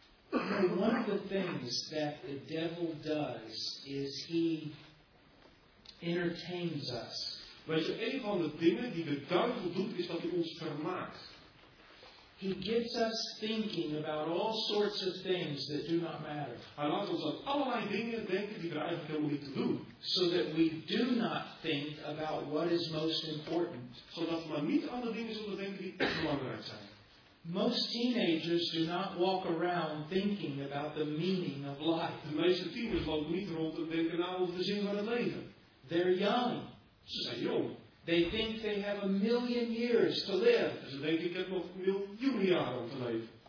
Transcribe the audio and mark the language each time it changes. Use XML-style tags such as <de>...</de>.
<en>One of the things that the devil does is he entertains us.</en> <nl>Weet je, een van de dingen die de duivel doet is dat hij ons vermaakt.</nl> <en>He gets us thinking about all sorts of things that do not matter.</en> <nl>Hij laat ons aan allerlei dingen denken die er eigenlijk helemaal niet te doen.</nl> <en>So that we do not think about what is most important.</en> <nl>Zodat we niet aan de dingen zullen denken die echt belangrijk zijn.</nl> <en>Most teenagers do not walk around thinking about the meaning of life.</en> <nl>De meeste tieners lopen niet rond en denken nou over de zin van het leven.</nl> <en>They're young.</en> <nl>Ze zijn jong.</nl> <en>They think they have a million years to live.</en> <nl>Ze denken ik heb nog miljoen jaren om te leven.</nl>